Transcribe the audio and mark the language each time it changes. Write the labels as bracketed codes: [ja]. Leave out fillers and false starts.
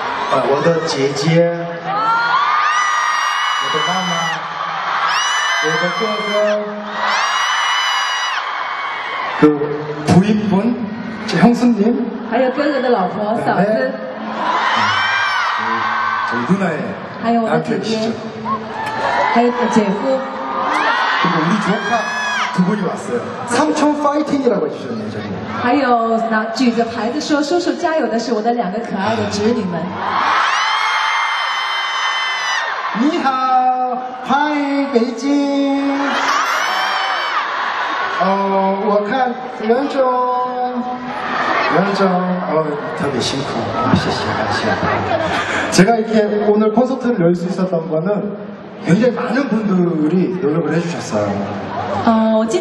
[zh] 我的姐姐，我的妈妈，我的哥哥。 [ko] 그부인분형수님 [zh] 还有哥哥的老婆嫂子 [ko] 저희누나의 [zh] 还有我的姐姐还有姐夫 [ko] 그리고우리조카 두 분이 왔어요. 삼촌 파이팅이라고 해주셨네요. [zh] 还有拿举着牌子说叔叔加油的是我的两个可爱的侄女们。你好 ，Hi 北京。我看袁总，袁总，特别辛苦，谢谢。 [ko] 제가 이렇게 오늘 콘서트를 열 수 있었던 거는 굉장히 많은 분들이 노력을 해주셨어요.